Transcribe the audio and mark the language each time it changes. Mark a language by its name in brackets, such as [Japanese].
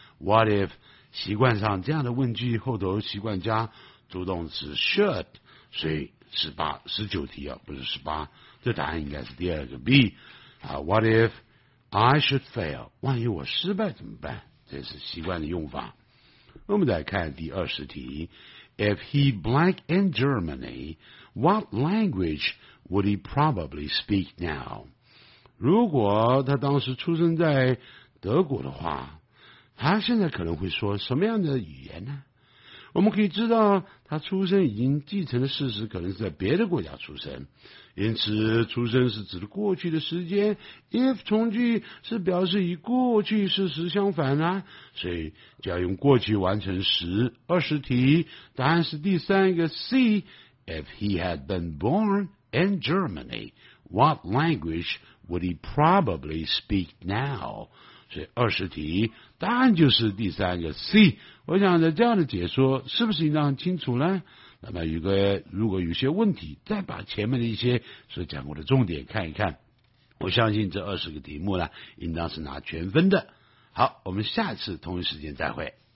[Chinese] What if 习惯上这样的问句后头习惯加主动词 should， 所以十八十九题啊，不是十八，这答案应该是第二个 B、 [English] What if I should fail， [Chinese] 万一我失败怎么办，这是习惯的用法。我们再看第二十题 [English] If he blank in Germany what language would he probably speak now？ [Chinese] 如果他当时出生在德国的话，他现在可能会说什么样的语言呢？我们可以知道他出生已经继承的事实可能是在别的国家出生，因此出生是指的过去的时间， if 从句是表示与过去事实相反呢、啊，所以就要用过去完成时。二十题答案是第三个 [English] C， if he had been bornIn Germany, what language would he probably speak now? [Chinese] 所以二十题答案就是第三个 C。我想在这样的解说是不是应当清楚呢？那么有个如果有些问题，再把前面的一些所讲过的重点看一看。我相信这二十个题目呢，应当是拿全分的。好，我们下次同一时间再会。